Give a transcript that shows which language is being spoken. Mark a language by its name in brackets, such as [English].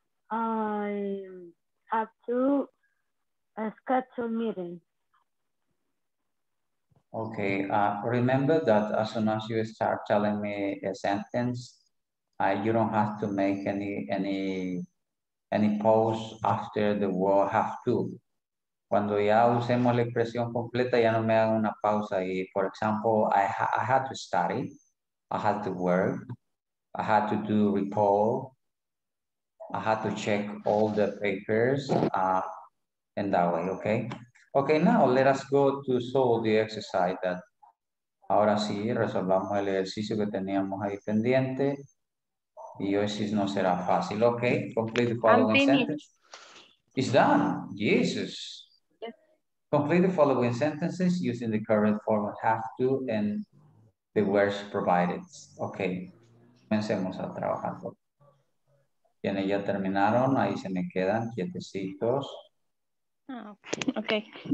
[English] I have to schedule meeting. Okay, remember that as soon as you start telling me a sentence, you don't have to make any pause after the word have to. [Spanish] Cuando ya usemos la expresión completa, ya no me hagan una pausa. [English] Y, for example, I had to study, I had to work, I had to do report, I had to check all the papers in that way, okay? Okay, now let us go to solve the exercise that, [Spanish] ahora sí, resolvamos el ejercicio que teníamos ahí pendiente. Y hoy sí no será fácil, [English] ok. Complete the following sentence. It's done. Jesus. Yes. Complete the following sentences using the current form of have to and the words provided. [Spanish] Ok. Comencemos a trabajar. Quienes ya terminaron, ahí se me quedan quietecitos. [English] Oh, okay.